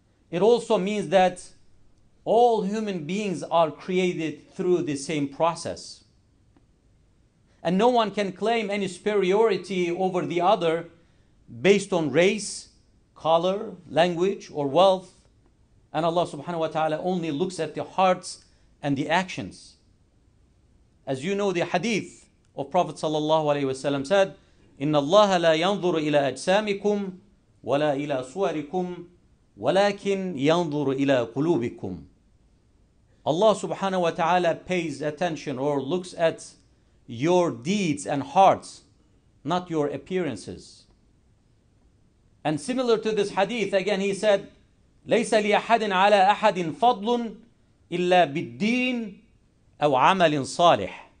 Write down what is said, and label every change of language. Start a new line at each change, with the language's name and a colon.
English: It also means that all human beings are created through the same process. And no one can claim any superiority over the other based on race, color, language, or wealth. And Allah subhanahu wa ta'ala only looks at the hearts and the actions. As you know, the hadith of Prophet sallallahu alaihi wasallam said,
Arabic: إِنَّ اللَّهَ لَا يَنْظُرُ إِلَىٰ أَجْسَامِكُمْ وَلَا إِلَىٰ صُوَرِكُمْ وَلَكِنْ يَنْظُرُ إِلَىٰ قُلُوبِكُمْ.
English: Allah subhanahu wa ta'ala pays attention or looks at your deeds and hearts, not your appearances. And similar to this hadith, again he said,
Arabic: لَيْسَ لِيَحَدٍ عَلَىٰ أَحَدٍ فَضْلٌ إِلَّا بِالدِّينِ أَوْ عَمَلٍ صَالِحٍ.